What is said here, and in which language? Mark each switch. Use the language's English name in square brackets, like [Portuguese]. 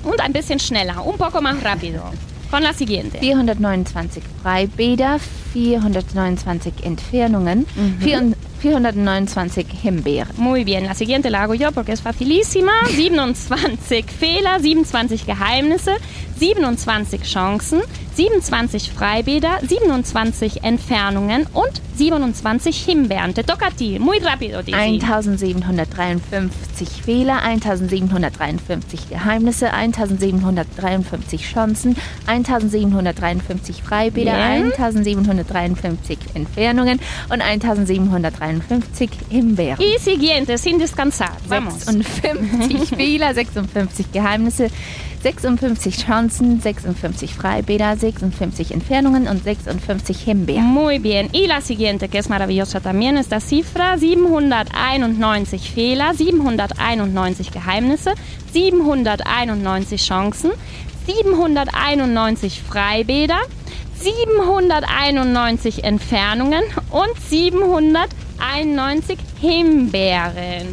[German] Und ein bisschen schneller. [Spanish] Un poco más rápido. Con la siguiente. [German] 429 Freibäder, 429 Entfernungen, 429 Himbeeren. [Spanish] Muy bien, la siguiente la hago yo porque es facilísima. [German] 27 Fehler, 27 Geheimnisse, 27 Chancen, 27 Freibäder, 27 Entfernungen und 27 Himbeeren. [Spanish] Te toca a ti, muy rápido, Desi. [German] 1753 Fehler, 1753 Geheimnisse, 1753 Chancen, 1753 Freibäder, yeah. 1753 Entfernungen und 1753 Himbeeren. [Spanish] Y siguiente, sin descansar. Vamos. [German] 56 Fehler, 56 Geheimnisse, 56 Chancen, 56 Freibäder, 56 Entfernungen und 56 Himbeeren. [Spanish] Muy bien. Y la siguiente, que es maravillosa también, es la cifra. [German] 791 Fehler, 791 Geheimnisse, 791 Chancen, 791 Freibäder, 791 Entfernungen und 791 Himbeeren.